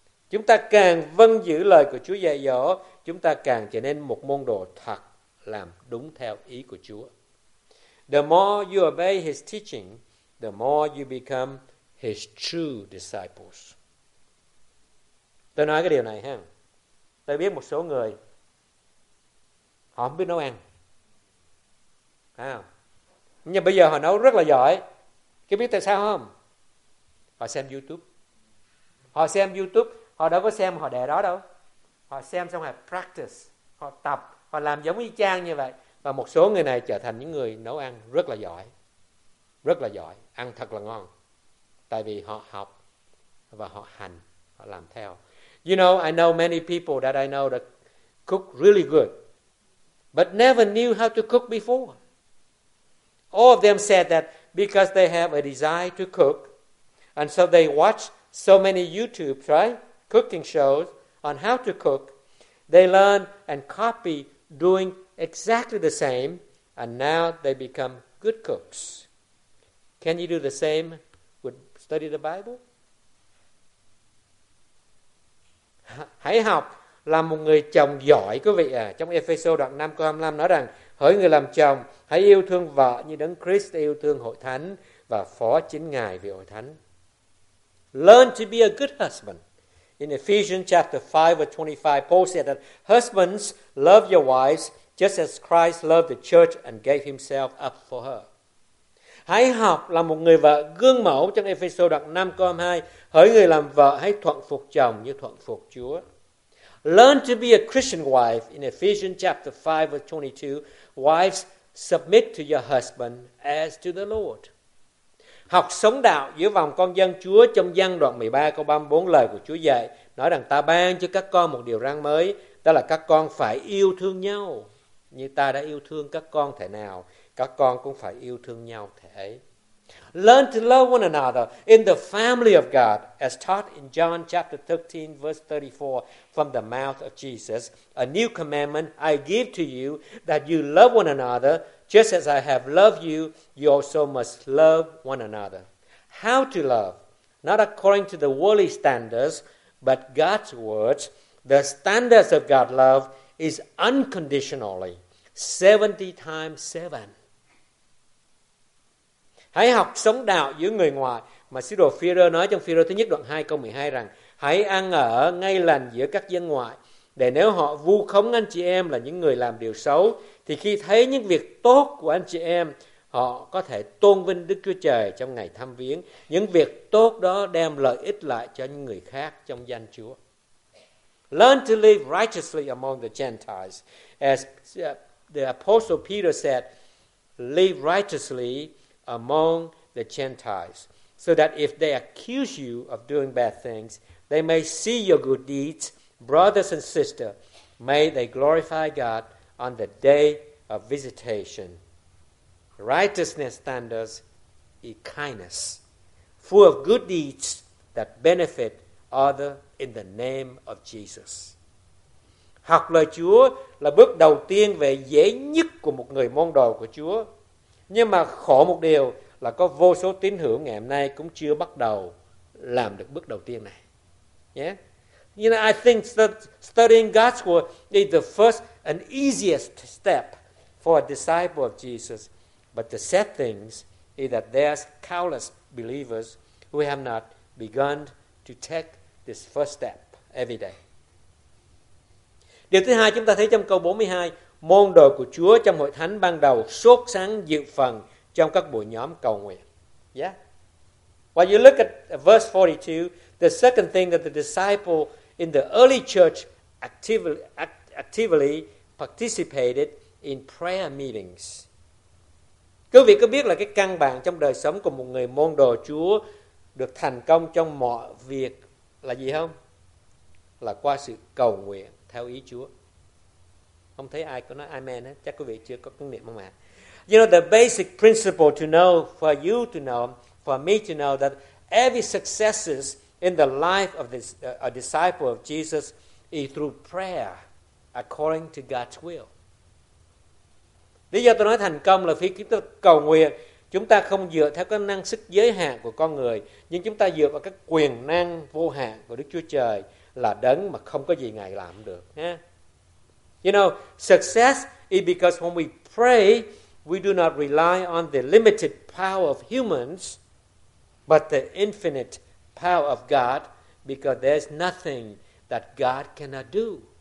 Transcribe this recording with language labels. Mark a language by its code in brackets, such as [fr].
[vi] Chúng ta càng vâng giữ lời của Chúa dạy dỗ, chúng ta càng trở nên một môn đồ thật làm đúng theo ý của Chúa. [en] The more you obey his teaching, the more you become his true disciples. [vi] Tôi nói cái điều này ha. Tôi biết một số người, họ không biết nấu ăn. Không? Nhưng bây giờ họ nấu rất là giỏi. Các biết tại sao không? Họ xem YouTube. Họ xem YouTube, họ đâu có xem họ để đó đâu. Họ xem xong rồi [en] practice, [vi] họ tập, họ làm giống y chang như vậy. Và một số người này trở thành những người nấu ăn rất là giỏi. Rất là giỏi, ăn thật là ngon. Tại vì họ học và họ hành, họ làm theo. [en] You know, I know many people that I know that cook really good, but never knew how to cook before. All of them said that because they have a desire to cook, and so they watch so many YouTube, right, cooking shows on how to cook, they learn and copy doing exactly the same, and now they become good cooks. Can you do the same with study the Bible? [vi] Hãy học làm một người chồng giỏi, quý vị à. Trong Ephesos đoạn 5 câu 25 nói rằng, hỡi người làm chồng, hãy yêu thương vợ như Đấng Christ yêu thương hội thánh và phó chính Ngài vì hội thánh. [en] Learn to be a good husband. In Ephesians chapter 5 verse 25, Paul said that husbands, love your wives just as Christ loved the church and gave himself up for her. [vi] Hãy học làm một người vợ gương mẫu, trong Ephesos đoạn 5 câu 22, hỡi người làm vợ hãy thuận phục chồng như thuận phục Chúa. [en] Learn to be a Christian wife. In Ephesians chapter 5 verse 22, wives, submit to your husband as to the Lord. [vi] Học sống đạo giữa vòng con dân Chúa, trong Giăng đoạn 13 câu 34, lời của Chúa dạy nói rằng, ta ban cho các con một điều răn mới, đó là các con phải yêu thương nhau như ta đã yêu thương các con. Thể nào các con cũng phải yêu thương nhau thế. [en] Learn to love one another in the family of God as taught in John chapter 13 verse 34 from the mouth of Jesus. A new commandment I give to you, that you love one another, just as I have loved you, you also must love one another. How to love? Not according to the worldly standards, but God's words. The standards of God's love is unconditionally 70 times 7. [vi] Hãy học sống đạo giữa người ngoài, mà sứ đồ Phi-rơ nói trong Phi-rơ thứ nhất đoạn 2 câu 12 rằng, hãy ăn ở ngay lành giữa các dân ngoại, để nếu họ vu khống anh chị em là những người làm điều xấu, thì khi thấy những việc tốt của anh chị em, họ có thể tôn vinh Đức Chúa Trời trong ngày thăm viếng. Những việc tốt đó đem lợi ích lại cho những người khác trong danh Chúa. [en] Learn to live righteously among the Gentiles. As the Apostle Peter said, live righteously among the Gentiles, so that if they accuse you of doing bad things, they may see your good deeds. Brothers and sisters, may they glorify God on the day of visitation. Righteousness standards is kindness, full of good deeds that benefit others in the name of Jesus. [vi] Học lời Chúa là bước đầu tiên về dễ nhất của một người môn đồ của Chúa. Nhưng mà khổ một điều là có vô số tín hữu ngày hôm nay cũng chưa bắt đầu làm được bước đầu tiên này. [en] Yeah? You know, I think that studying God's word is the first and easiest step for a disciple of Jesus. But the sad thing is that there's countless believers who have not begun to take this first step every day. [vi] Điều thứ hai chúng ta thấy trong câu 42, môn đồ của Chúa trong hội thánh ban đầu sốt sắng dự phần trong các buổi nhóm cầu nguyện. [en] Yeah. While you look at verse 42, the second thing that the disciple in the early church actively participated in prayer meetings. [vi] Quý vị có biết là cái căn bản trong đời sống của một người môn đồ Chúa được thành công trong mọi việc là gì không? Là qua sự cầu nguyện theo ý Chúa. Không thấy ai có nói amen hết. Chắc quý vị chưa có kinh nghiệm không ạ? [en] You know, the basic principle to know, for you to know, for me to know, that every successes in the life of this a disciple of Jesus is through prayer according to God's will. [vi] Lý do tôi nói thành công là khi chúng ta cầu nguyện, chúng ta không dựa theo cái năng sức giới hạn của con người, nhưng chúng ta dựa vào cái quyền năng vô hạn của Đức Chúa Trời, là đấng mà không có gì Ngài làm được. [en] You know, success is because when we pray, we do not rely on the limited power of humans, but the infinite power of God, because there's nothing that God cannot do.